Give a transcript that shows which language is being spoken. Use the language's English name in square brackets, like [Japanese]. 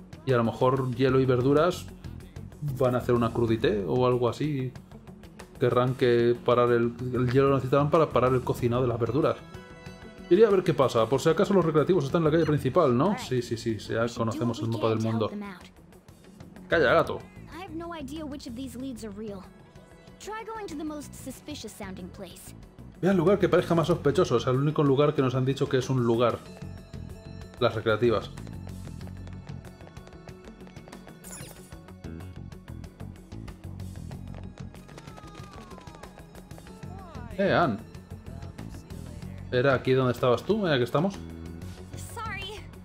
[Spanish] Y a lo mejor hielo y verduras van a hacer una crudité o algo así. Querrán que parar el hielo lo necesitarán para parar el cocinado de las verduras. Iría a ver qué pasa. Por si acaso los recreativos están en la calle principal, ¿no? Sí, sí, sí. Ya conocemos el mapa del mundo. ¡Calla, gato! [English] No idea which of these leads are real. Try going to the most suspicious sounding place. [Spanish] Ve al lugar que parezca más sospechoso, o sea, el único lugar que nos han dicho que es un lugar. Las recreativas. Ann. ¿Era aquí donde estabas tú? ¿Ya que estamos? [English] Sorry.